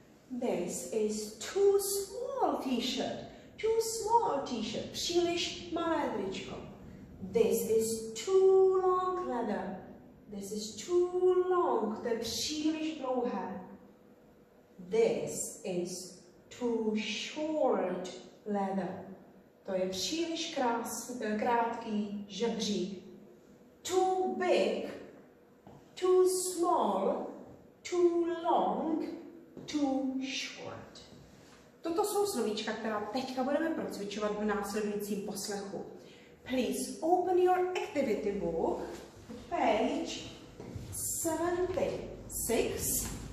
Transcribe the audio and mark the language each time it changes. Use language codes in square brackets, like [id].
[en] This is too small t-shirt. Too small t-shirt. [cs] Příliš malé tričko. [en] This is too long leather. This is too long. [cs] To je příliš dlouhé. [en] This is too short leather. To [cs] To je příliš krátký žebřík. [en] Too big, too small, too long, too short. [cs] Toto jsou slovíčka, která teďka budeme procvičovat v následujícím poslechu. [en] Please open your activity book, page 76,